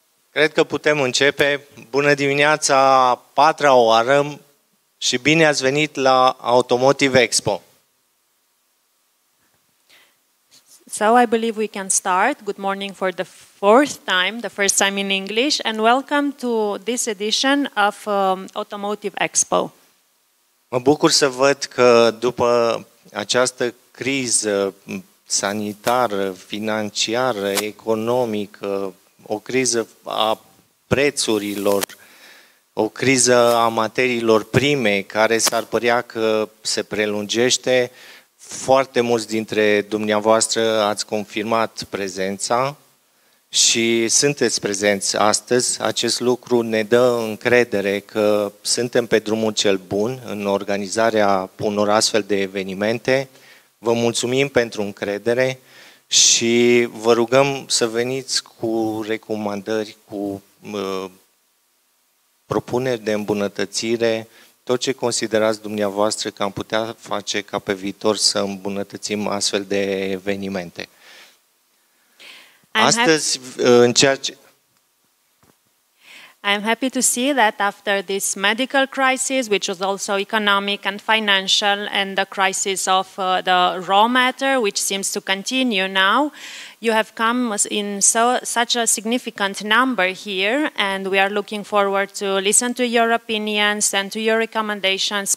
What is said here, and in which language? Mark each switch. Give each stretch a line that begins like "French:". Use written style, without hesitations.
Romanian: Cred că putem începe. Bună dimineața, patra oară și bine ați venit la Automotive Expo.
English: So I believe we can start. Good morning for the fourth time, the first time in English, and welcome to this edition of Automotive Expo.
Romanian: Mă bucur să văd că după această criză sanitară, financiară, economică, o criză a prețurilor, o criză a materiilor prime, care s-ar părea că se prelungește. Foarte mulți dintre dumneavoastră ați confirmat prezența și sunteți prezenți astăzi. Acest lucru ne dă încredere că suntem pe drumul cel bun în organizarea unor astfel de evenimente. Vă mulțumim pentru încredere. Și vă rugăm să veniți cu recomandări, cu propuneri de îmbunătățire, tot ce considerați dumneavoastră că am putea face ca pe viitor să îmbunătățim astfel de evenimente. Astăzi, în ceea ce...
English: I'm happy to see that after this medical crisis, which was also economic and financial, and the crisis of the raw matter, which seems to continue now, you have come in such a significant number here, and we are looking forward to listen to your opinions and to your recommendations.